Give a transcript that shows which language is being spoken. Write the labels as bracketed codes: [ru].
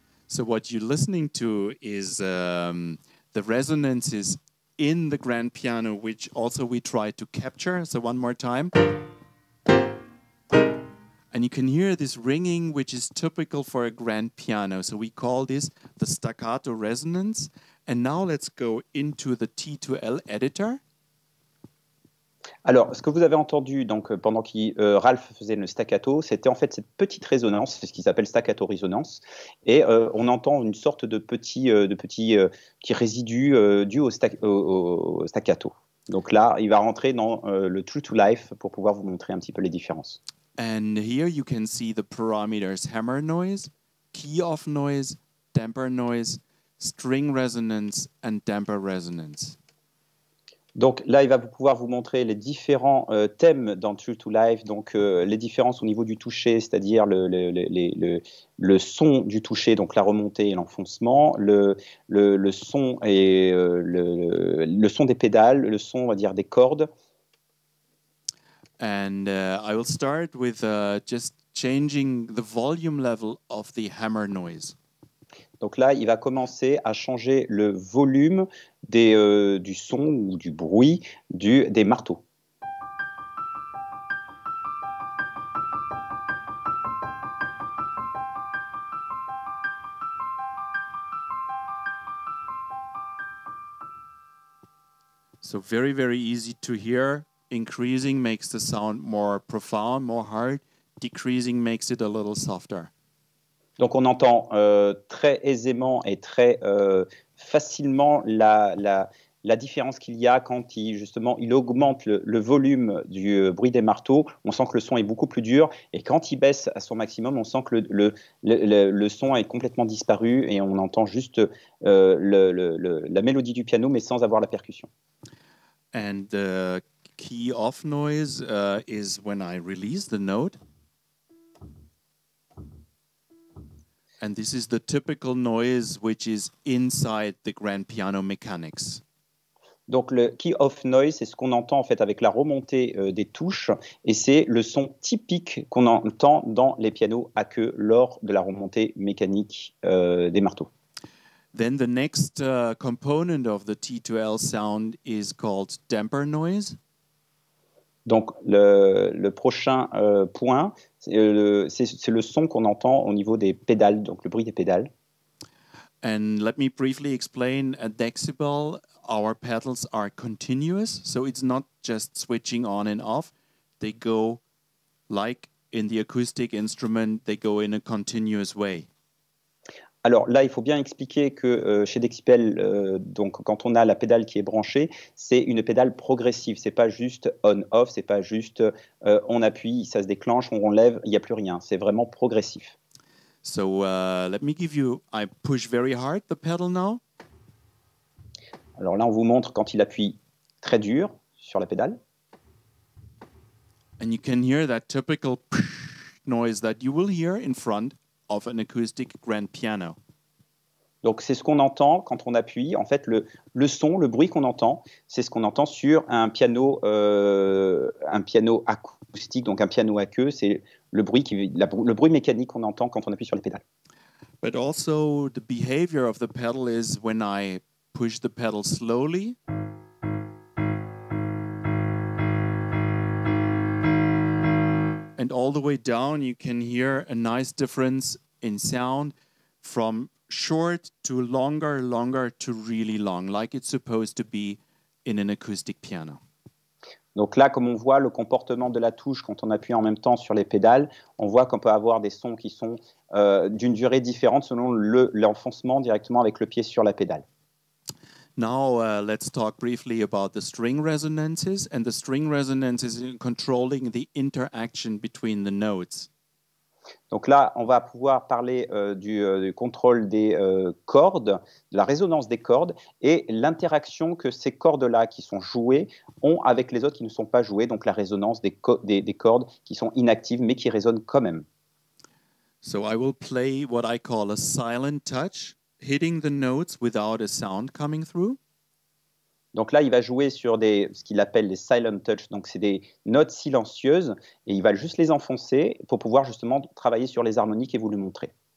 [en] So what you're listening to is the resonance is in the grand piano, which also we tried to capture. So one more time. And you can hear this ringing, which is typical for a grand piano. So we call this the staccato resonance. And now let's go into the T2L editor. [fr] Alors, ce que vous avez entendu donc, pendant que Ralph faisait le staccato, c'était en fait cette petite résonance, ce qu'ils appellent staccato résonance. Et on entend une sorte de petit résidu dû au staccato. Donc là, il va rentrer dans le True to Life pour pouvoir vous montrer un petit peu les différences. [en] And here you can see the parameters hammer noise, key off noise, damper noise, string resonance and damper resonance. [fr] Donc là, il va pouvoir vous montrer les différents thèmes dans True to Life, donc les différences au niveau du toucher, c'est-à-dire le son du toucher, donc la remontée et l'enfoncement, le son et le son des pédales, le son, on va dire, des cordes. [en] And I will start with just changing the volume level of the hammer noise. [fr] Donc là, il va commencer à changer le volume du son ou du bruit des marteaux. [en] So very, very easy to hear. Increasing makes the sound more profound, more hard. Decreasing makes it a little softer. [fr] Donc, on entend très aisément et très facilement la différence qu'il y a quand il augmente le volume du bruit des marteaux. On sent que le son est beaucoup plus dur. Et quand il baisse à son maximum, on sent que le son est complètement disparu et on entend juste la mélodie du piano, mais sans avoir la percussion. [en] And the key off noise is when I release the note. And this is the typical noise which is inside the grand piano mechanics. [fr] Donc le key off noise, c'est ce qu'on entend en fait avec la remontée des touches, et c'est le son typique qu'on entend dans les pianos à queue lors de la remontée mécanique des marteaux. [en] Then the next component of the T2L sound is called damper noise. [fr] Donc le prochain point, c'est le son qu'on entend au niveau des pédales, donc le bruit des pédales. [en] And let me briefly explain, at Dexibel, our pedals are continuous, so it's not just switching on and off. They go, like in the acoustic instrument, they go in a continuous way. [fr] Alors là, il faut bien expliquer que chez Dexibel, donc quand on a la pédale qui est branchée, c'est une pédale progressive. C'est pas juste on/off, c'est pas juste on appuie, ça se déclenche, on enlève, il n'y a plus rien. C'est vraiment progressif. [en] So let me give you, I push very hard the pedal now. [fr] Alors là, on vous montre quand il appuie très dur sur la pédale. [en] And you can hear that typical noise that you will hear in front of an acoustic grand piano. [fr] Donc c'est ce qu'on entend quand on appuie. En fait, le son, le bruit qu'on entend, c'est ce qu'on entend sur un piano acoustique, donc un piano à queue. C'est le bruit mécanique qu'on entend quand on appuie sur les pédales. [en] But also the behavior of the pedal is when I push the pedal slowly. And all the way down, you can hear a nice difference in sound from short to longer, longer to really long, like it's supposed to be in an acoustic piano. [fr] Donc là, comme on voit le comportement de la touche quand on appuie en même temps sur les pédales, on voit qu'on peut avoir des sons qui sont d'une durée différente selon l'enfoncement directement avec le pied sur la pédale. [en] Now, let's talk briefly about the string resonances and the string resonances in controlling the interaction between the notes. [fr] Donc là, on va pouvoir parler du contrôle des cordes, de la résonance des cordes et l'interaction que ces cordes-là qui sont jouées ont avec les autres qui ne sont pas jouées, donc la résonance des cordes qui sont inactives mais qui résonnent quand même. [en] So I will play what I call a silent touch, hitting the notes without a sound coming through. [fr] Donc là, il va jouer sur ce qu'il appelle les silent touch, donc c'est des notes silencieuses, et il va juste les enfoncer pour pouvoir justement travailler sur les harmoniques et vous le montrer.